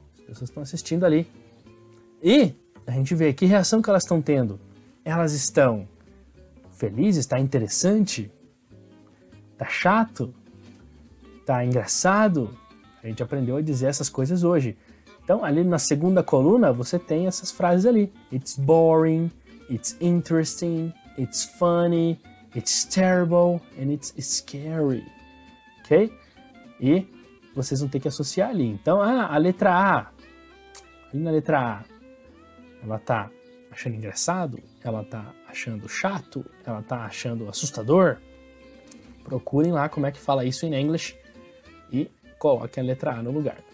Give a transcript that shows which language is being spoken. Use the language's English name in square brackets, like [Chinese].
[Portuguese] As pessoas estão assistindo ali. E a gente vê que reação que elas estão tendo. Elas estão felizes? Está interessante? Está chato? Está engraçado? A gente aprendeu a dizer essas coisas hoje. Então, ali na segunda coluna, você tem essas frases ali. [English] It's boring, it's interesting, it's funny, it's terrible, and it's scary. Ok? [Portuguese] E vocês vão ter que associar ali. Então, a letra A. Ali na letra A, ela tá achando engraçado? Ela tá achando chato? Ela tá achando assustador? Procurem lá como é que fala isso em inglês e coloquem a letra A no lugar.